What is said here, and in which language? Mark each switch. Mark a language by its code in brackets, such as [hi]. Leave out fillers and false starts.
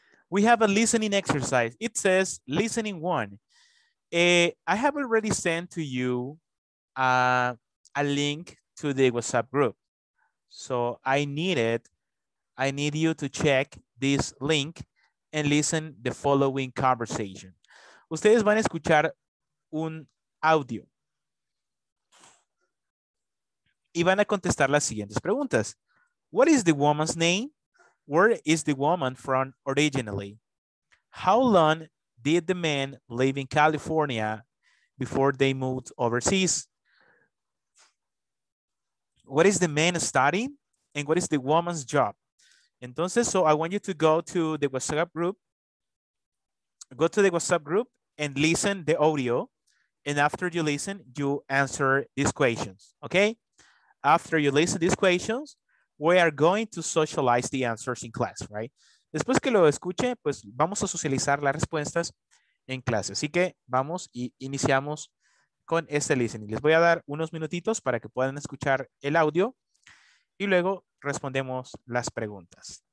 [en] We have a listening exercise. It says listening one. I have already sent to you a link to the WhatsApp group. So I need you to check this link and listen the following conversation. [es] Ustedes van a escuchar un audio y van a contestar las siguientes preguntas. [en] What is the woman's name? Where is the woman from originally? How long did the man live in California before they moved overseas? What is the man studying? And what is the woman's job? Entonces, so I want you to go to the WhatsApp group. Go to the WhatsApp group and listen the audio. And after you listen, you answer these questions, okay? After you listen these questions, we are going to socialize the answers in class, right? [es] Después que lo escuche, pues vamos a socializar las respuestas en clase. Así que vamos y iniciamos con este listening. Les voy a dar unos minutitos para que puedan escuchar el audio y luego respondemos las preguntas.